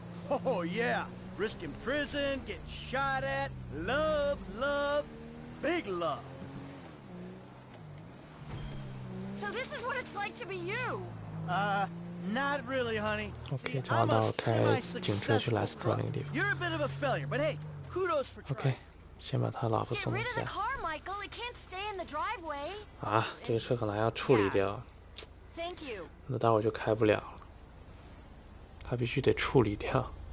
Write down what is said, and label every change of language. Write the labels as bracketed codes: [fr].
[en] Oh yeah, risk in prison, get shot at, love, love, big love. So this is what it's like to be you. Not really, honey. [zh] Okay, 找到开警车去莱斯特那个地方。 [en] You're a bit of a failure, but hey, kudos for trying. [zh] Okay, 先把他老婆送回家。 [en] Get rid of the car, Michael. It can't stay in the driveway. [zh] 啊，这个车可能要处理掉。那待会儿就开不了了，他必须得处理掉。